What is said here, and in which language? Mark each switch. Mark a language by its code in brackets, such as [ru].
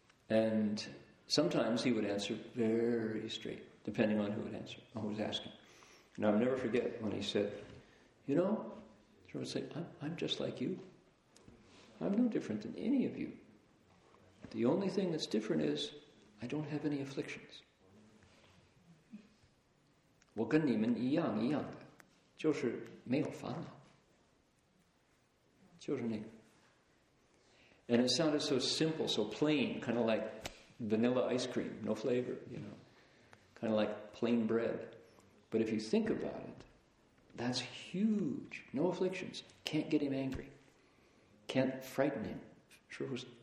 [en] And sometimes he would answer very straight, depending on who would answer, who was asking. And I'll never forget when he said, you know, he would say, I'm just like you. I'm no different than any of you. The only thing that's different is I don't have any afflictions. [zh] 我跟你们一样一样的,就是没有烦恼,就是那个。 [en] And it sounded so simple, so plain, kind of like vanilla ice cream, no flavor, you know, kind of like plain bread. But if you think about it, that's huge. No afflictions. Can't get him angry. Can't frighten him. Sure, he was